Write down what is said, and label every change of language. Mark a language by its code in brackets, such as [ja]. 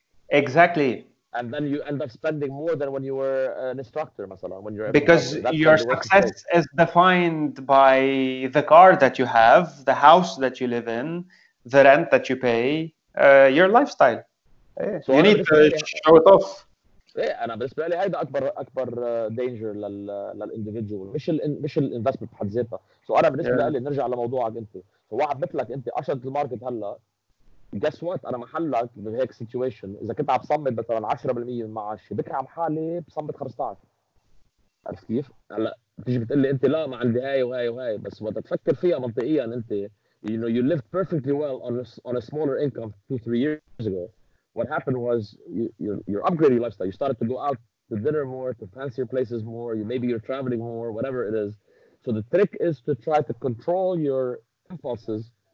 [en] Exactly. And then you end up spending more than when you were an instructor, مثلا. When you're because your success is defined by the car that you have, the house that you live in, the rent that you pay, your lifestyle. So you need to show it off. [ar] إيه أنا بالنسبة لي هيدا أكبر danger لل individual مش ال investment بحد ذاته. So أنا بالنسبة لي نرجع لموضوعك أنت. فواحد مثلك أنت أشرت الماركت هلا. [en] Guess what [ar] أنا محلك بهيك situation. إذا كنت عم بصمد مثلاً 10% من معاشي بكرة عم حالي بصمد 15%. عرفت كيف؟ هلا تيجي بتقلي أنت لا ما عندي هاي وهاي وهاي بس وقت تفكر فيها منطقياً أنت [en] you lived perfectly well on a smaller income 2-3 years ago. What happened was you're upgrading your lifestyle. You started to go out to dinner more, to fancier places more. Maybe you're traveling more, whatever it is. So the trick is to try to control your impulses.